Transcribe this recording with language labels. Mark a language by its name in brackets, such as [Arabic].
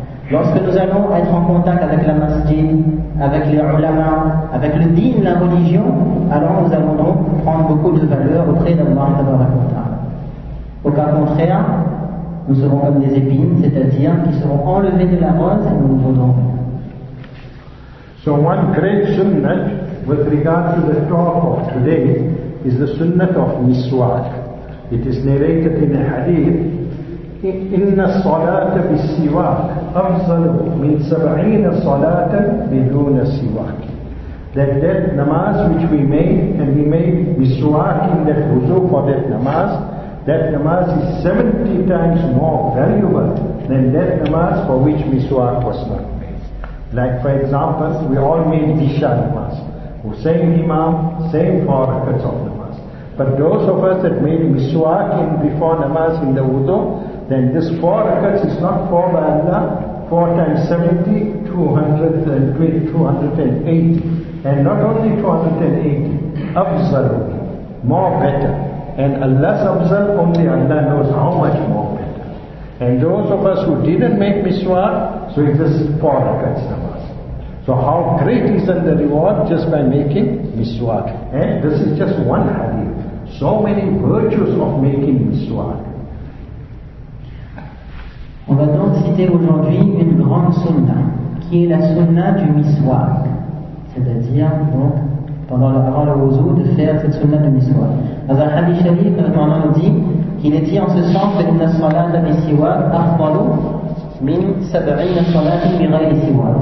[French] Lorsque nous allons être en contact avec la masjid, avec les ulama, avec le din, la religion, alors nous allons donc prendre beaucoup de valeur auprès d'Allah tabaraka wa ta'ala. Au cas contraire, nous serons comme des épines, c'est-à-dire qui seront enlevées de la rose et nous ne voudrons rien. [English] So one great sunnah with regard to the talk of today is the sunnah of miswak. It is narrated in a hadith, [Arabic] إِنَّ الصَّلَاةَ بِالسِّوَاكِ أَفْضَلُ مِنْ سَبْعِينَ صَلَاةً بِدُونَ السِّوَاكِ. [English] That namaz which we made, and we made miswak in that wudu for that namaz is 70 times more valuable than that namaz for which miswak was not made. Like for example, we all made Isha namaz, same imam, same 4 rakats of namaz. But those of us that made miswak in before namaz in the wudu, then this 4 rakats is not 4 by Allah, 4 times 70, 280. And not only 280, absolutely, more better. And Allah's afzal, only Allah knows how much more better. And those of us who didn't make miswak, so it is 4 rakats namaz. So how great is that the reward just by making miswak? And this is just one hadith. So many virtues of making miswak. [French] On va donc citer aujourd'hui une grande sunna, qui est la sunna du miswak. C'est-à-dire, donc, pendant la parole au wuzu, de faire cette sunna du miswak. Dans un hadith sharif, le Coran nous dit qu'il est dit en ce sens que la sunna du miswak [Arabic] afdalu min sab'ina salatin bi ghayri siwak.